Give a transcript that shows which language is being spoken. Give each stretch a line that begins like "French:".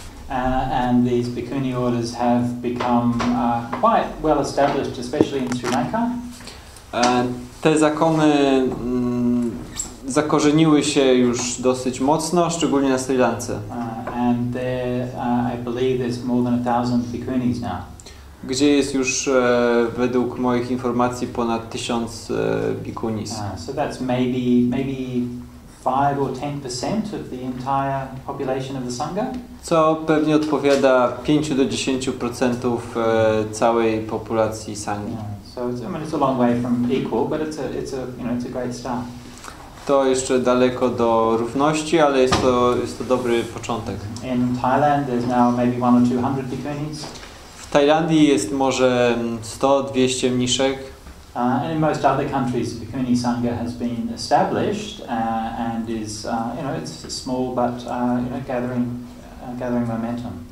English: And these bhikkhuni orders have become quite well established, especially in Sri Lanka.
Polish: Te zakony zakorzeniły się już dosyć mocno, szczególnie na Sri Lance.
English: And there, I believe there's more than 1,000 bhikkhunis now.
Polish: Gdzie jest już według moich informacji ponad 1,000 bhikkhunis.
English: So that's maybe 5 or 10% of the entire population of the Sangha.
Polish: Co pewnie odpowiada 5-10% całej populacji Sangi. Yeah.
English: So it's a long way from equal, but it's a you know, it's a great start.
Polish: To jeszcze daleko do równości, ale jest to dobry początek.
English: In Thailand there's now maybe 100 or 200 bhikkhunis.
Polish: W Tajlandii jest może 100-200 mniszek.
English: And in most other countries, bhikkhuni sangha has been established and is, you know, it's small but you know, gathering momentum.